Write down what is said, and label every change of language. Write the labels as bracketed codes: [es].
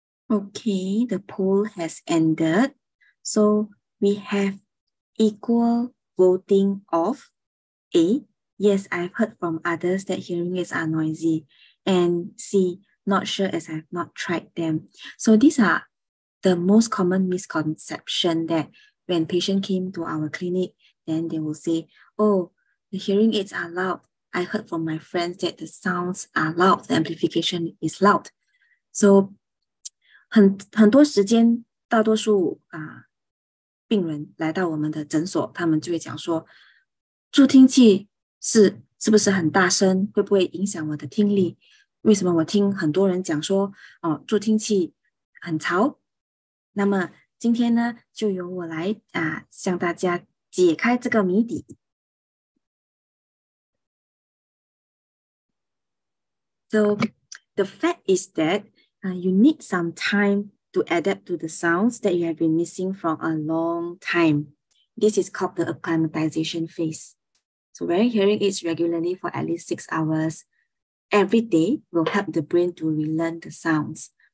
[en] Okay, the poll has ended. So we have equal voting of A, yes, I've heard from others that hearing aids are noisy, and C, not sure as I've not tried them. So these are the most common misconception that when patient came to our clinic, then they will say, oh, the hearing aids are loud. I heard from my friends that the sounds are loud, the amplification is loud. [zh] So 很多时间，大多数病人来到我们的诊所，他们就会讲说，助听器是不是很大声，会不会影响我的听力？为什么我听很多人讲说，助听器很吵？那么今天呢，就由我来向大家解开这个谜底。 [en] So the fact is that you need some time to adapt to the sounds that you have been missing for a long time. This is called the acclimatization phase. So wearing hearing aids regularly for at least 6 hours every day will help the brain to relearn the sounds.